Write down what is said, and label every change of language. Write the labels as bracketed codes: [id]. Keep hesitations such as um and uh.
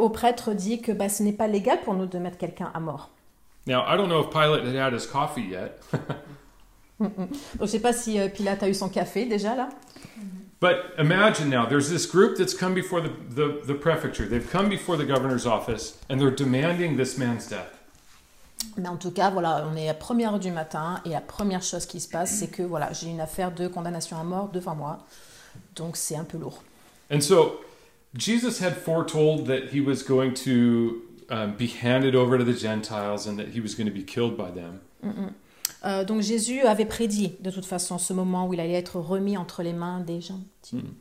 [fr] haut prêtre dit que bah, ce n'est pas légal pour nous de mettre quelqu'un à mort. [en] Now I don't know if Pilate had, had his coffee yet. mm hum, hum. [fr] Donc, je ne sais pas si euh, Pilate a eu son café déjà là. [en] But imagine now, there's this group that's come before the, the, the prefecture. They've come before the governor's office and they're demanding this man's death. [fr] Mais en tout cas, voilà, on est à première heure du matin et la première chose qui se passe, c'est que voilà, j'ai une affaire de condamnation à mort devant moi. Donc, c'est un peu lourd. [en] And so, Jesus had foretold that he was going to um, uh, be handed over to the Gentiles and that he was going to be killed by them. [fr] Hum, euh, donc Jésus avait prédit de toute façon ce moment où il allait être remis entre les mains des gentils.